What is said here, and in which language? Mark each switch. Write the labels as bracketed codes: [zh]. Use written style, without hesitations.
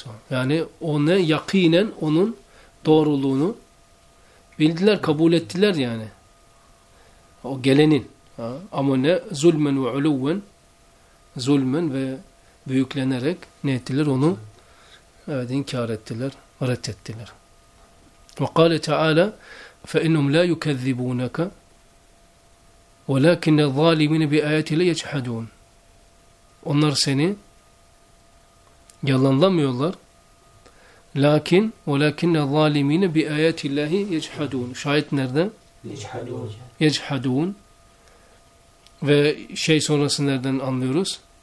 [tr] Yani onu yakinen onun doğruluğunu bildiler, kabul ettiler yani. O gelenin. Ama ne? [ar] Zulmen ve uluven. [tr] Zulmen ve büyüklenerek ne ettiler onu? Evet, inkar ettiler, reddettiler. [ar] Ve kâle teâlâ فَاِنُّمْ لَا يُكَذِّبُونَكَ ولكن الظالمين بآيات الله يجحدون. [tr] Onlar seni yalanlamıyorlar. [ar] Lakin ولكن الظالمين بآيات الله يجحدون. [tr] Şahit nerede? [ar] Yechhadun. [tr] Ve şey sonrası nereden anlıyoruz?